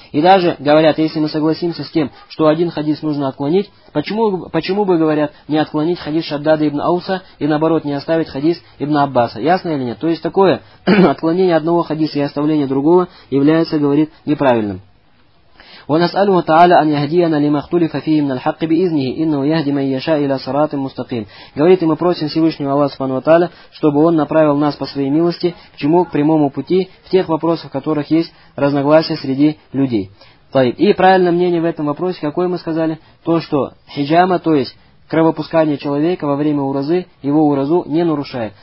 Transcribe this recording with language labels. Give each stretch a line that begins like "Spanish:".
Russian: И даже говорят, если мы согласимся с тем, что один хадис нужно отклонить, почему бы, говорят, не отклонить хадис Шаддада ибн Ауса и наоборот не оставить хадис ибн Аббаса? Ясно или нет? То есть такое отклонение одного хадиса и оставление другого является, говорит, неправильным.
Arabic: ونسأله تعالى أن يهدينا لما اختلف فيه من الحق بإذنه إنه يهدي من يشاء إلى صراط مستقيم.
Russian: Говорит, и мы просим Всевышнего Аллаха Субхану ва Тааля, чтобы Он направил нас по своей милости к чему? К прямому пути в тех вопросах, в которых есть разногласия среди людей.
Arabic: طيب.
Russian: И правильное мнение в этом вопросе, какое мы сказали? То, что хиджама, то есть кровопускание человека во время уразы, его уразу не нарушает.